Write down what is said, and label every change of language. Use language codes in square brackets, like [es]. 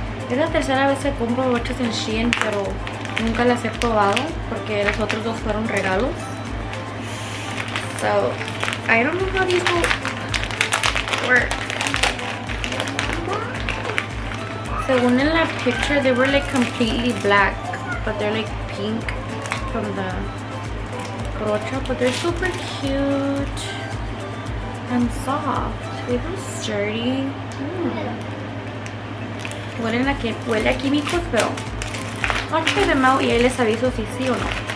[es] Es la tercera vez que compro bochas en Shein, pero nunca las he probado porque los otros dos fueron regalos. [en] So, I don't know how these will work. [es] Según en la [en] picture, they were like completely black, but they're like pink from the brocha, but they're super cute and soft. They feel sturdy. [es] Huelen a que huele a químicos, pero [en] I'll try them out [es] y ahí les aviso si sí o no.